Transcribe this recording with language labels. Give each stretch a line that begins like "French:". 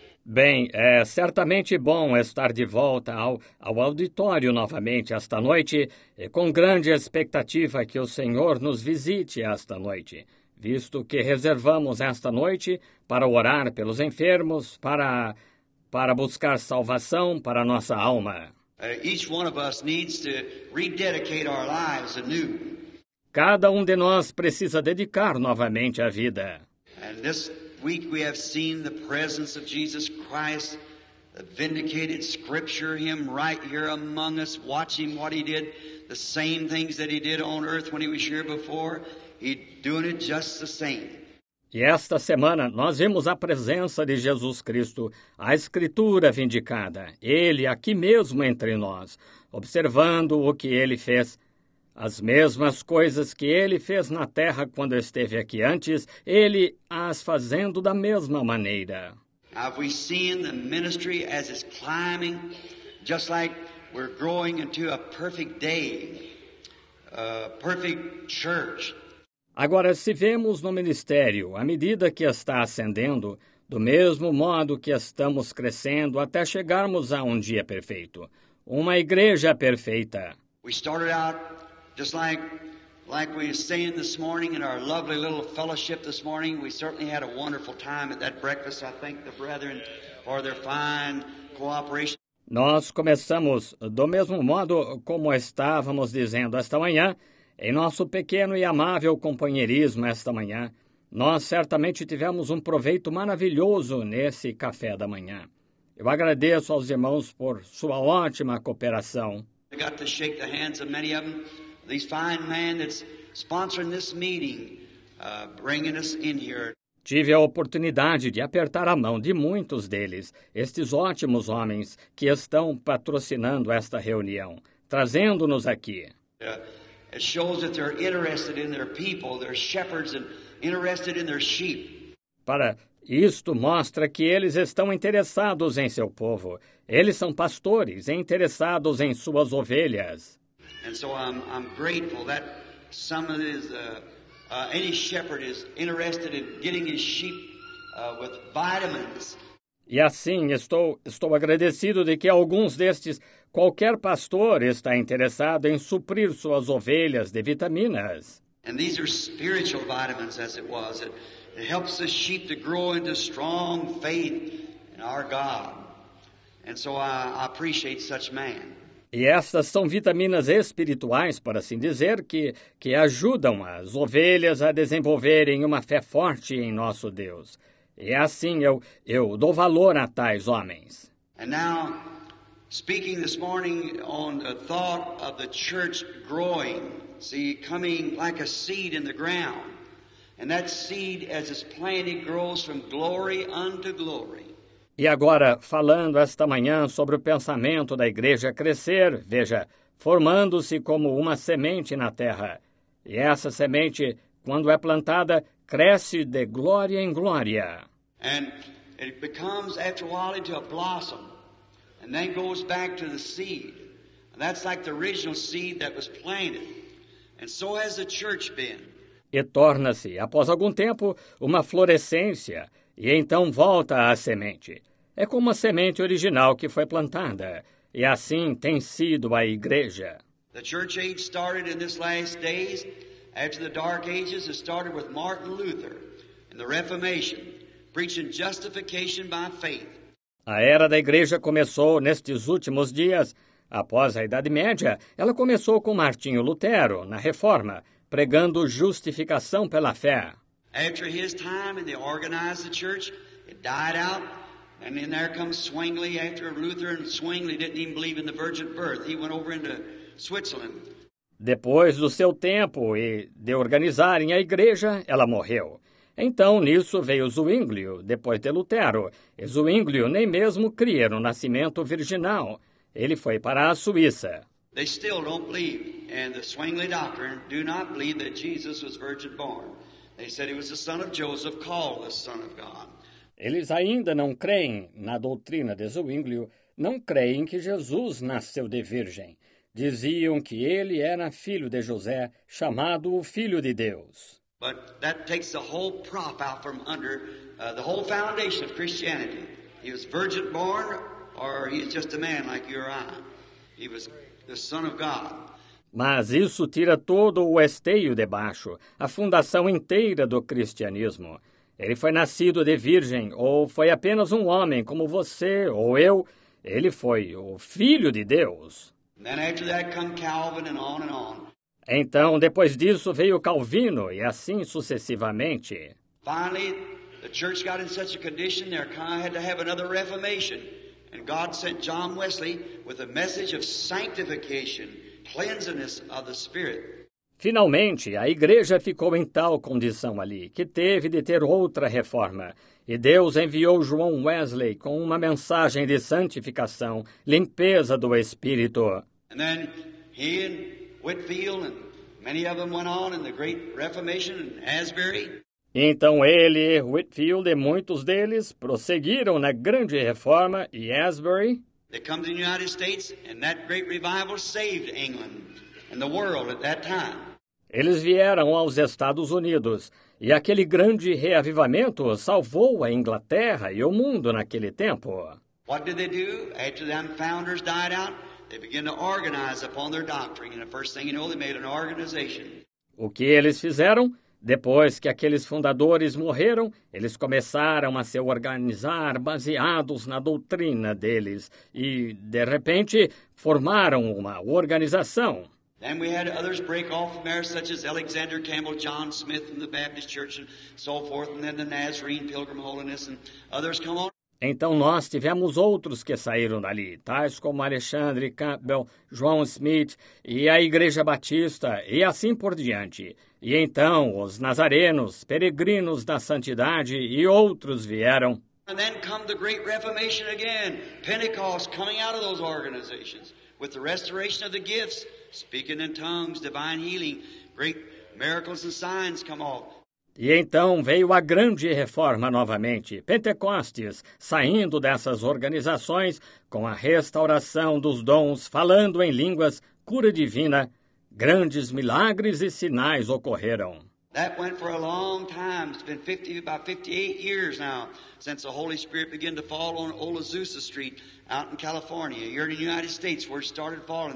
Portuguese: Bem, é certamente bom estar de volta ao auditório novamente esta noite, e com grande expectativa que o Senhor nos visite esta noite, visto que reservamos esta noite para orar pelos enfermos, para buscar salvação para a nossa alma.
English: Each one of us needs to rededicate our lives anew.
Portuguese: Cada um de nós precisa dedicar novamente a vida.
English: And this week we have seen the presence of Jesus Christ, the vindicated scripture, him right here among us, watching what he did, the same things that he did on earth when he was here before, he doing it just the same.
Portuguese: E esta semana nós vimos a presença de Jesus Cristo, a Escritura vindicada, ele aqui mesmo entre nós, observando o que ele fez, as mesmas coisas que ele fez na terra quando esteve aqui antes, ele as fazendo da mesma maneira.
English: Have we seen the ministry as it's climbing, just like we're growing into a perfect day, a perfect church?
Portuguese: Agora, se vemos no ministério, à medida que está ascendendo, do mesmo modo que estamos crescendo até chegarmos a um dia perfeito, uma igreja perfeita.
English: We started out just like we were saying this morning in our lovely little fellowship this morning. We certainly had a wonderful time at that breakfast. I thank the brethren for their fine cooperation.
Portuguese: Nós começamos do mesmo modo como estávamos dizendo esta manhã, em nosso pequeno e amável companheirismo esta manhã, nós certamente tivemos um proveito maravilhoso nesse café da manhã. Eu agradeço aos irmãos por sua ótima cooperação.
English: I got to shake the hands of many of them. These fine men that's sponsoring this meeting, bringing us in here.
Portuguese: Tive a oportunidade de apertar a mão de muitos deles, estes ótimos homens que estão patrocinando esta reunião, trazendo-nos aqui.
English: It shows that they're interested in their people, their shepherds, and interested in their sheep.
Portuguese: Para isto mostra que eles estão interessados em seu povo. Eles são pastores interessados em suas ovelhas.
English: And so I'm grateful that some of these, any shepherd is interested in getting his sheep with vitamins.
Portuguese: E assim, estou agradecido de que alguns destes, qualquer pastor está interessado em suprir suas ovelhas de vitaminas.
English: And these are spiritual vitamins, as it was. It helps the sheep to grow into strong faith in our God. And so I appreciate such man.
Portuguese: E estas são vitaminas espirituais, por assim dizer, que ajudam as ovelhas a desenvolverem uma fé forte em nosso Deus. E assim eu dou valor a tais homens.
English: And now, speaking this morning on the thought of the church growing, see, coming like a seed in the ground, and that seed as it's planted grows from glory unto glory.
Portuguese: E agora, falando esta manhã sobre o pensamento da igreja crescer, veja, formando-se como uma semente na terra. E essa semente, quando é plantada, cresce de glória em glória.
English: And it becomes, after a while, into a blossom, and then goes back to the seed. And that's like the original seed that was planted. And so has the church been.
Portuguese: E torna-se, após algum tempo, uma florescência, e então volta à semente. É como a semente original que foi plantada, e assim tem sido a igreja.
English: The church age started in this last days, after the dark ages, it started with Martin Luther and the Reformation, preaching justification by faith.
Portuguese: A era da igreja começou nestes últimos dias. Após a Idade Média, ela começou com Martinho Lutero, na Reforma, pregando justificação pela fé.
English: After his time and they organized the church, it died out. And then there comes Zwingli, after Luther and Zwingli didn't even believe in the virgin birth. He went over into Switzerland.
Portuguese: Depois do seu tempo e de organizarem a igreja, ela morreu. Então, nisso veio Zwingli, depois de Lutero. E Zwingli nem mesmo cria no nascimento virginal. Ele foi para a Suíça.
English: They still don't believe, and the Zwingli doctrine do not believe that Jesus was virgin born. They said he was the son of Joseph, called the son of God.
Portuguese: Eles ainda não creem na doutrina de Zwingli, não creem que Jesus nasceu de virgem. Diziam que ele era filho de José, chamado o Filho de Deus.
English: But that takes the whole prop out from under the whole foundation of Christianity. He was virgin born, or he's just a man like you or I. He was the Son of God.
Portuguese: Mas isso tira todo o esteio de baixo, a fundação inteira do cristianismo. Ele foi nascido de virgem, ou foi apenas um homem como você ou eu. Ele foi o Filho de Deus.
English: Then after that come Calvin and on and on.
Portuguese: Então, depois disso, veio Calvino, e assim sucessivamente.
English: Finally, the church got in such a condition there, kind of had to have another reformation. And God sent John Wesley with a message of sanctification, cleansing of the Spirit.
Portuguese: Finalmente, a igreja ficou em tal condição ali, que teve de ter outra reforma. E Deus enviou João Wesley com uma mensagem de santificação, limpeza do Espírito.
English: And then he and Whitfield and many of them went on in the Great Reformation and Asbury.
Portuguese: Então ele, Whitfield e muitos deles prosseguiram na Grande Reforma e Asbury.
English: They come to the United States and that great revival saved England and the world at that time.
Portuguese: Eles vieram aos Estados Unidos e aquele grande reavivamento salvou a Inglaterra e o mundo naquele tempo.
English: What did they do? After the founders died out, they begin to organize upon their doctrine, and the first thing you know, they made an organization.
Portuguese: O que eles fizeram? Depois que aqueles fundadores morreram, eles começaram a se organizar baseados na doutrina deles, e de repente formaram uma organização.
English: Then we had others break off from there, such as Alexander Campbell, John Smith from the Baptist Church, and so forth, and then the Nazarene Pilgrim Holiness, and others come on.
Portuguese: Então nós tivemos outros que saíram dali, tais como Alexandre Campbell, João Smith e a Igreja Batista e assim por diante. E então os Nazarenos, Peregrinos da Santidade e outros vieram.
English: And then come the Great Reformation again, Pentecost coming out of those organizations with the restoration of the gifts, speaking in tongues, divine healing, great miracles and signs come off.
Portuguese: E então veio a grande reforma novamente, Pentecostes, saindo dessas organizações com a restauração dos dons, falando em línguas, cura divina, grandes milagres e sinais ocorreram.
English: That went for a long time. It's been 50, about 58 years now since the Holy Spirit began to fall on Old Azusa Street out in California, here in the United States, where it started falling.